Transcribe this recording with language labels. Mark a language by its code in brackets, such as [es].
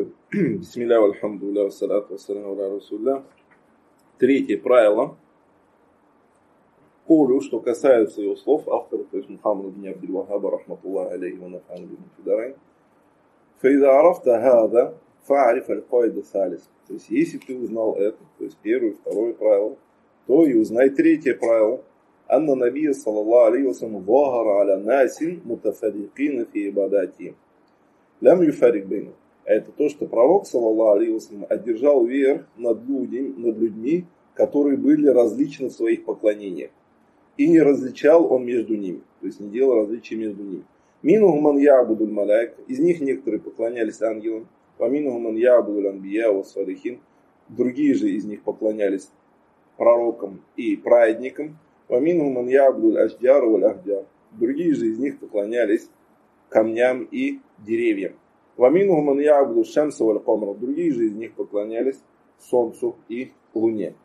[ar] бисмилля вальхамдулля вассалату вассаляму аля расулля. [ru] Третье правило. Колю, что касается его слов, автор, то есть Мухаммад ибн Абдул Вахаб, [ar] рахматуллах алейхи ва нафа'ана бихи фид дарайн. فإذا عرفت هذا فاعرف القاعدة الثالثة. [ru] То есть если ты узнал это, то есть первое и второе правило, то и узнай третье правило. [ar] أن النبي صلى الله عليه وسلم ظهر على ناس متفرقين في عباداته لم يفرق بينهم. [ru] Это то, что пророк [ar] صلى الله عليه وسلم [ru] одержал верх над людьми, которые были различны в своих поклонениях. И не различал он между ними, то есть не делал различия между ними. [ar] Минхум ман яъбуду аль-малаика, [ru] из них некоторые поклонялись ангелам, [ar] ва минхум ман яъбуду аль-анбия вас-салихин, [ru] другие же из них поклонялись пророкам и праведникам, [ar] ва минхум ман яъбуду аль-ашджара валь-ахджар, [ru] другие же из них поклонялись камням и деревьям, [ar] ва минхум ман яъбуду аш-шамса валь-камара, [ru] другие же из них поклонялись солнцу и луне.